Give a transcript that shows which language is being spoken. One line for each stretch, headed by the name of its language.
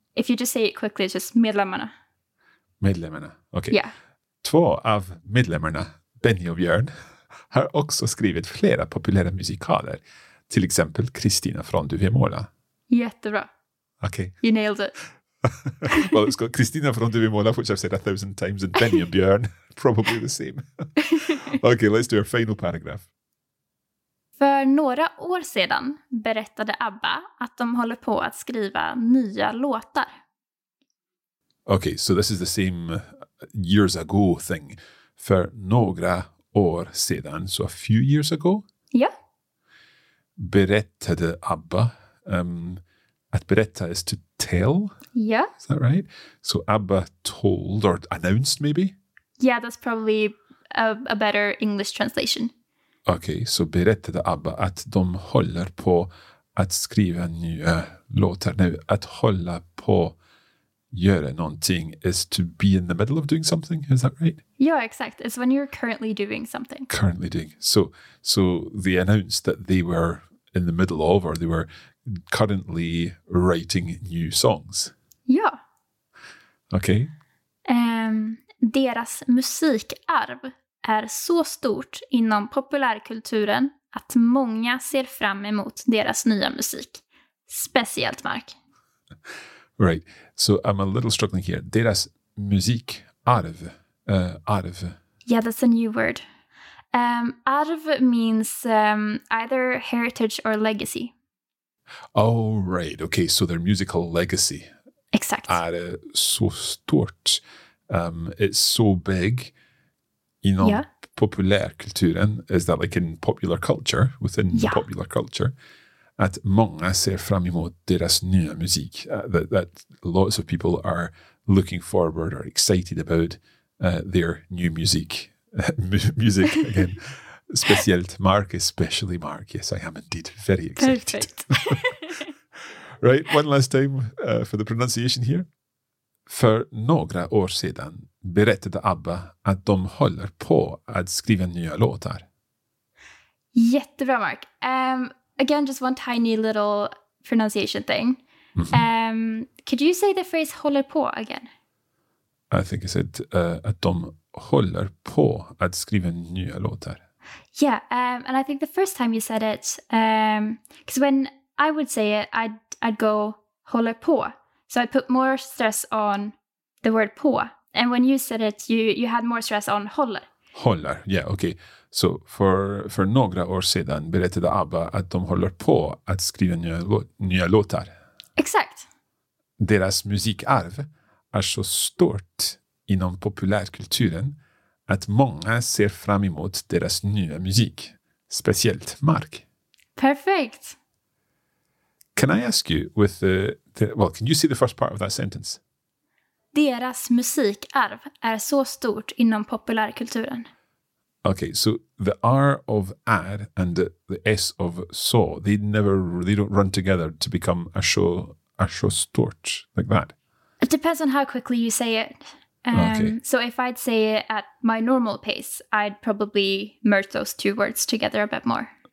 English: If you just say it quickly, it's just medlemmarna.
Swedish: Medlemmarna. Okay.
English: Yeah.
Swedish: Två av medlemmarna, Benny och Björn, har också skrivit flera populära musikaler, till exempel Kristina från Duvemåla. Jättebra.
English: Okay. You nailed it. Well, it's got Kristina från Duvemåla, which I've said 1,000 times, and Benny and Björn, probably the same. Okay, let's do our final paragraph.
Swedish: För några år sedan berättade ABBA att de håller på att skriva nya låtar.
English: Okay, so this is the same years ago thing.
Swedish: För några år sedan,
English: so a few years ago. Yeah.
Swedish: Berättade ABBA. Att berätta
English: is to tell. Yeah. Is that right? So ABBA told or announced maybe? Yeah, that's probably a better English translation. Okay, so
Swedish: berättade ABBA att de håller på att skriva nya låtar.
English: Now,
Swedish: att hålla på göra någonting
English: is to be in the middle of doing something, is that right? Yeah, exact. It's when you're currently doing something. Currently doing. So they announced that they were in the middle of, or they were currently writing new songs. Yeah. Okay.
Swedish: Deras musikarv är så stort inom populärkulturen att många ser fram emot deras nya musik. Speciellt Mark.
English: Right, so I'm a little struggling here.
Swedish: Deras musikarv. Arv.
English: Yeah, that's a new word. Arv means either heritage or legacy. Oh, right. Okay, so their musical legacy. Exactly.
Swedish: Är så stort.
English: It's so big. You know, yeah.
Swedish: Populärkulturen.
English: Is that like in popular culture, within yeah. popular culture?
Swedish: Att många ser fram emot deras nya musik.
English: That lots of people are looking forward or excited about their new music. Music again.
Swedish: Speciellt Mark,
English: especially Mark. Yes, I am indeed very excited. Perfect. Right, one last time for the pronunciation here.
Swedish: För några år sedan berättade ABBA att de håller på att skriva nya låtar. Jättebra, Mark.
English: Again, just one tiny little pronunciation thing. Mm-hmm. Could you say the phrase håller på again? I think I said
Swedish: att de håller på att skriva nya låtar.
English: Yeah, and I think the first time you said it, because when I would say it, I'd go håller på. So I put more stress on the word på. And when you said it, you had more stress on håller. Håller, yeah, okay.
Swedish: So för några år sedan berättade ABBA att de håller på att skriva nya låtar. Exakt. Deras musikarv är så stort inom populärkulturen att många ser fram emot deras nya musik, speciellt Mark.
English: Perfect. Can I ask you with can you see the first part of that sentence?
Swedish: Deras musikarv är så stort inom populärkulturen.
English: Okay, so the R of är and the S of så, they don't run together to become a show stort like that. It depends on how quickly you say it. Okay. So if I'd say it at my normal pace, I'd probably merge those two words together a bit more.